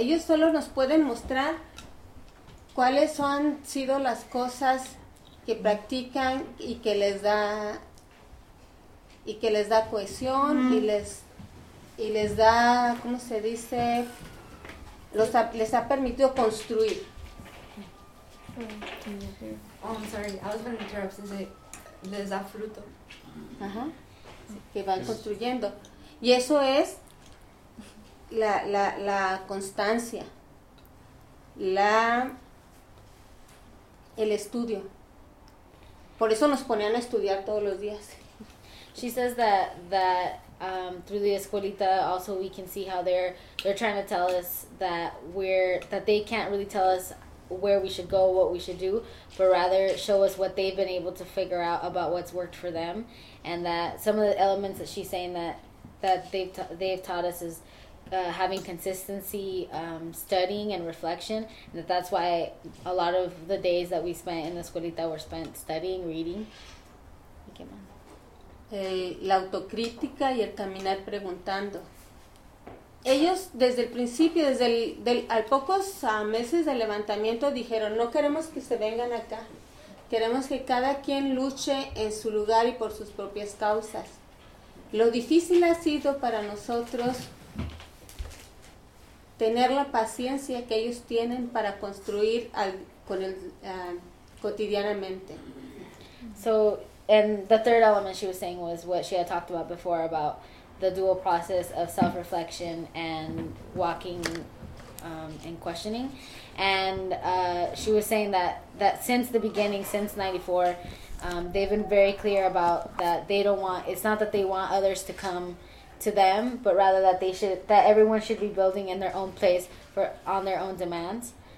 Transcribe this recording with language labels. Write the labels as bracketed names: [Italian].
[Spanish] Ellos solo nos pueden mostrar cuáles han sido las cosas que practican y que les da cohesión y les da, ¿cómo se dice? Les ha permitido construir. [English] Oh, I'm sorry. I was going to interrupt. Is it [Spanish] les da fruto? Ajá. Que van construyendo. Y eso es la constancia, el estudio. Por eso nos ponían a estudiar todos los días. [English] She says that through the escuelita, also we can see how they're trying to tell us that they can't really tell us where we should go, what we should do, but rather show us what they've been able to figure out about what's worked for them, and that some of the elements that she's saying that they've taught us is having consistency, studying and reflection, and that's why a lot of the days that we spent in the escuelita were spent studying, reading. [Spanish] La autocrítica y el caminar preguntando. Ellos desde el principio, al pocos meses del levantamiento dijeron, no queremos que se vengan acá, queremos que cada quien luche en su lugar y por sus propias causas. Lo difícil ha sido para nosotros tener la paciencia que ellos tienen para construir al, con el, cotidianamente. [English] So, and the third element she was saying was what she had talked about before about the dual process of self-reflection and walking and questioning. And she was saying that, that since the beginning, since 94, they've been very clear about that they don't want, it's not that they want others to come to them, but rather that they should, that everyone should be building in their own place for on their own demands.